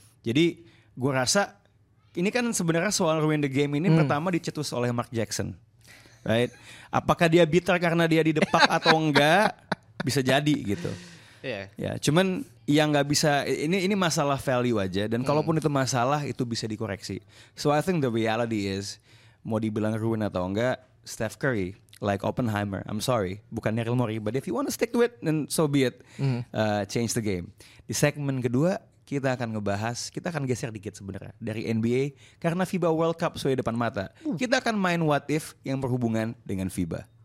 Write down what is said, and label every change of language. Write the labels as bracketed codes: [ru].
[id] Jadi gue rasa ini kan sebenarnya soal [en] ruin the game [id] ini pertama dicetus oleh Mark Jackson, [en] right? [id] Apakah dia bitter karena dia didepak atau enggak? Bisa jadi gitu. Ya, cuman yang nggak bisa ini masalah value aja. Dan kalaupun itu masalah itu bisa dikoreksi. [en] So I think the reality is [id] mau dibilang ruin atau enggak, [en] Steph Curry, like Oppenheimer, I'm sorry, [id] bukan [en] Daryl Morey, but if you want to stick to it, then so be it. Change the game. [id] Di segmen kedua, kita akan ngebahas, kita akan geser dikit sebenarnya dari NBA, karena FIBA World Cup sudah depan mata. Kita akan main what if yang berhubungan dengan FIBA.